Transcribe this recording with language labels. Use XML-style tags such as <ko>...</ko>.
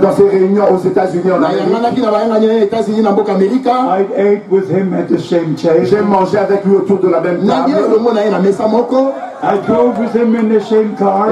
<fr>Dans ses réunions aux États-Unis en Amérique.</fr> <en>I ate with him at the same table.</en> <fr>J'ai mangé avec lui autour de la même table.</fr> <en>I drove with him in the same car.</en>